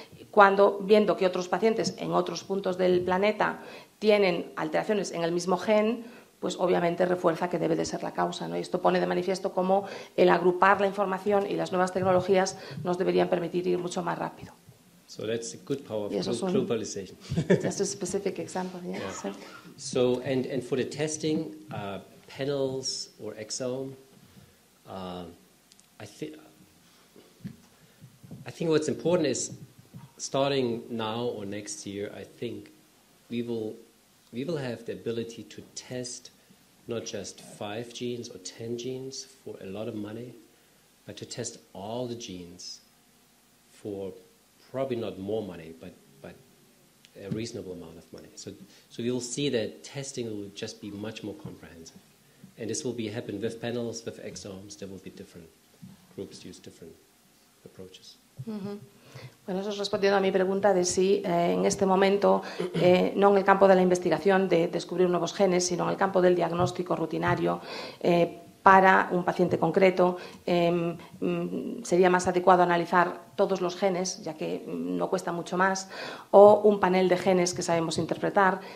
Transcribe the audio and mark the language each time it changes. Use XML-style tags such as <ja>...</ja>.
<es>cuando, viendo que otros pacientes en otros puntos del planeta tienen alteraciones en el mismo gen, pues obviamente refuerza que debe de ser la causa, ¿no? Y esto pone de manifiesto cómo el agrupar la información y las nuevas tecnologías nos deberían permitir ir mucho más rápido.</es> <en>So that's a good power for globalization. That's a specific example, yes. Yeah. So, and for the testing, panels or exome, I think what's important is starting now or next year, I think we will have the ability to test not just 5 genes or 10 genes for a lot of money, but to test all the genes for probably not more money, but a reasonable amount of money. So we will see that testing will just be much more comprehensive. And this will happen with panels, with exomes. There will be different groups use different approaches. Mm-hmm.</en> <es>Bueno, eso es respondiendo a mi pregunta de si en este momento, no en el campo de la investigación de descubrir nuevos genes, sino en el campo del diagnóstico rutinario para un paciente concreto, sería más adecuado analizar todos los genes, ya que no cuesta mucho más, o un panel de genes que sabemos interpretar.</es>